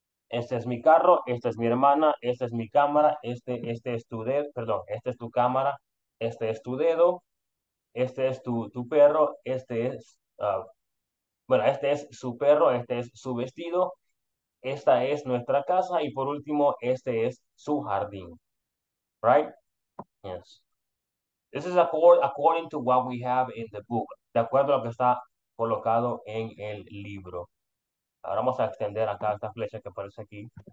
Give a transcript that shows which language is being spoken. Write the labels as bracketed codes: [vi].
[es] Este es mi carro, esta es mi hermana, esta es mi cámara, este es tu dedo, perdón, esta es tu cámara, este es tu dedo, este es tu perro, este es, bueno, este es su perro, este es su vestido, esta es nuestra casa y por último, este es su jardín. [en] Right? Yes. This is according to what we have in the book. [es] De acuerdo a lo que está colocado en el libro. Ahora vamos a extender acá esta flecha que aparece aquí.